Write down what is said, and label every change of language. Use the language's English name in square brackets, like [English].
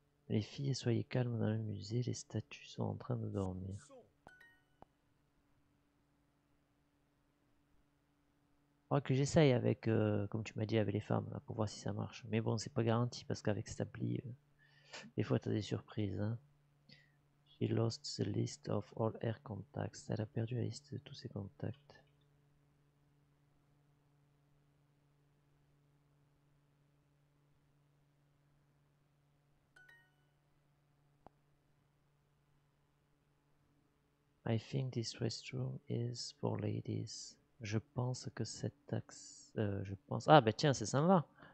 [French] Les filles, soyez calmes dans le musée, les statues sont en train de dormir. Crois que j'essaye avec, comme tu m'as dit, avec les femmes, là, pour voir si ça marche. Mais bon, c'est pas garanti parce qu'avec cette appli, des fois t'as des surprises. Hein. [English] She lost the list of all her contacts. [French] Elle a perdu la liste de tous ses contacts. [English] I think this restroom is for ladies. [French] Je pense que cette taxe. Je pense. Ah, ben tiens, c'est sympa.